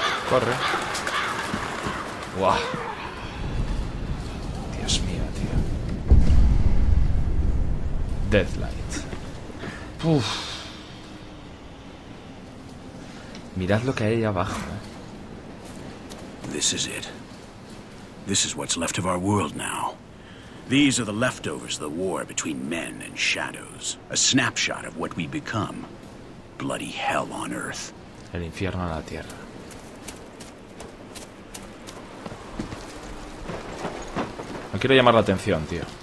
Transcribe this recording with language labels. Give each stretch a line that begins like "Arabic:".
Spanish: Corre. Buah. Dios mío, tío. Deadlight. Uf. Mirad lo que hay ahí abajo, ¿eh?
English: This is it. This is what's left of our world now. These are the leftovers of the war between men and shadows. A snapshot of what we become. Bloody hell on earth.
Spanish: El infierno en la tierra. No quiero llamar la atención, tío.